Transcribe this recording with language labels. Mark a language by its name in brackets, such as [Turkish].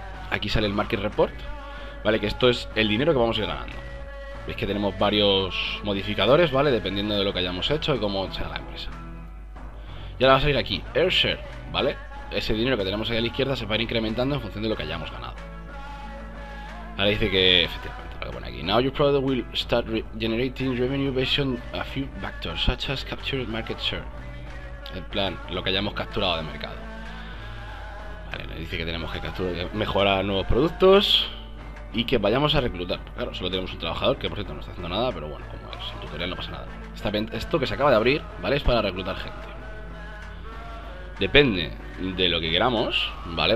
[Spanish] Aquí sale el market report. Vale, que esto es el dinero que vamos a ir ganando. Veis que tenemos varios modificadores, ¿vale? Dependiendo de lo que hayamos hecho y cómo sea la empresa. Y ahora va a salir aquí Airshare, ¿vale? Ese dinero que tenemos ahí a la izquierda se va a ir incrementando en función de lo que hayamos ganado. Ahora dice que, efectivamente, lo que pone aquí. [English] Now your product will start generating revenue based on a few factors, such as captured market share. [Spanish] En plan, lo que hayamos capturado de mercado. Vale, nos dice que tenemos que mejorar nuevos productos y que vayamos a reclutar. Claro, solo tenemos un trabajador que, por cierto, no está haciendo nada, pero bueno, como es el tutorial, no pasa nada. Esto que se acaba de abrir, ¿vale? Es para reclutar gente. Depende de lo que queramos, ¿vale?